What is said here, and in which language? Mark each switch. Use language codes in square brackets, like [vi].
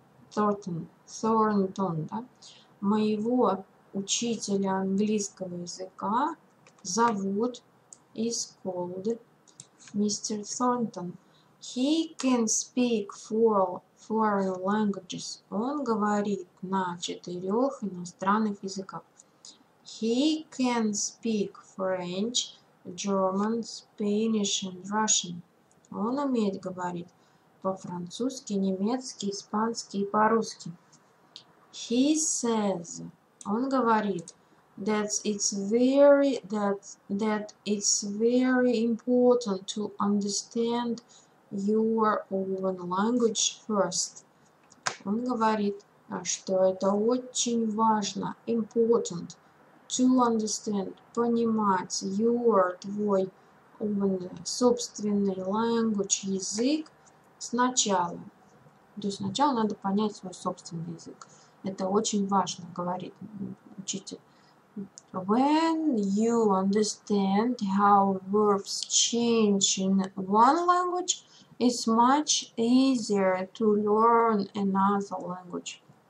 [ru] Thornton, да? Моего учителя английского языка зовут [en] is called [ru] Mr. Thornton. [en] He can speak four foreign languages. [ru] Он говорит на четырех иностранных языках. [en] He can speak French, German, Spanish and Russian. [ru] Он умеет говорить по-французски, немецки, испански и по-русски. [en] He says, [ru] он говорит, [en] that it's very important to understand your own language first. [ru] Он говорит, что это очень важно, [en] important, to understand, [ru] понимать [en] your, [ru] твой [en] own, [ru] собственный [en] language, [ru] язык, сначала. То есть сначала надо понять свой собственный язык. Это очень важно, говорит учитель. [en] When you understand how verbs change in one language, it's much easier to learn another language.